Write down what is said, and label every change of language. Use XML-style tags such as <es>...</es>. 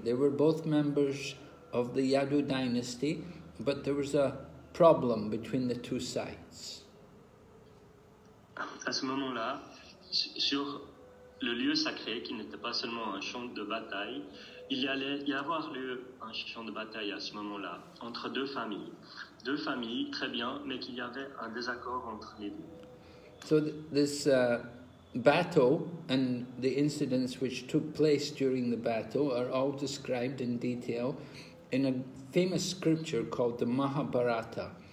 <en>They were both members of the Yadu dynasty, but there was a problem between the two sides.</en> <fr>À ce moment-là, sur le lieu sacré, qui n'était pas seulement un champ de bataille, il y allait y avoir lieu un champ de bataille à ce moment-là, entre deux familles. Deux familles, très bien, mais qu'il y avait un désaccord entre les deux.</fr> <en>So this battle and the incidents which took place during the battle are all described in detail in a famous scripture called the Mahabharata.</en>